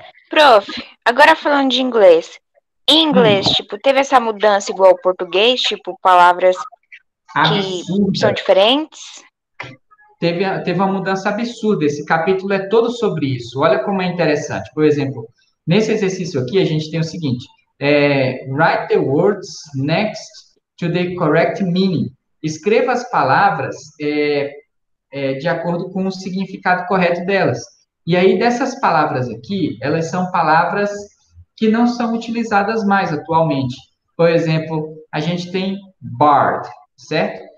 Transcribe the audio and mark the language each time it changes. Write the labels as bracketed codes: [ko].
[pt] prof, agora falando de inglês. Em inglês, tipo, teve essa mudança igual ao português? Tipo, palavras absurda. Que são diferentes? Teve uma mudança absurda, esse capítulo é todo sobre isso. Olha como é interessante. Por exemplo, nesse exercício aqui, a gente tem o seguinte. [en] Write the words next to the correct meaning. [pt] Escreva as palavras de acordo com o significado correto delas. E aí, dessas palavras aqui, elas são palavras que não são utilizadas mais atualmente. Por exemplo, a gente tem bard, certo?